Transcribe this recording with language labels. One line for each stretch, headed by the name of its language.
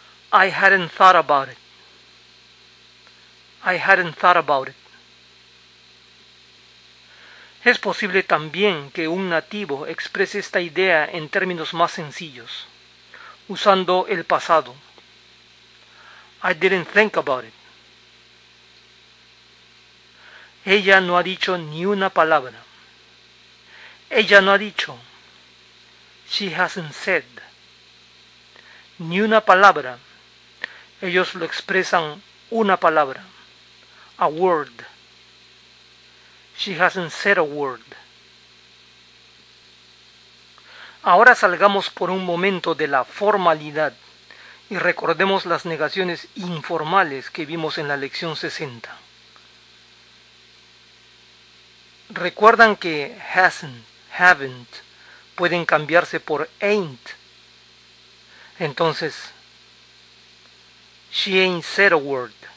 English: I hadn't thought about it. I hadn't thought about it.
Spanish: Es posible también que un nativo exprese esta idea en términos más sencillos, usando el pasado.
English: I didn't think about it.
Spanish: Ella no ha dicho ni una palabra. Ella no ha dicho.
English: She hasn't said.
Spanish: Ni una palabra. Ellos lo expresan una palabra.
English: A word. She hasn't said a word.
Spanish: Ahora salgamos por un momento de la formalidad y recordemos las negaciones informales que vimos en la lección 60. Recuerdan que hasn't, haven't pueden cambiarse por ain't. Entonces,
English: she ain't said a word.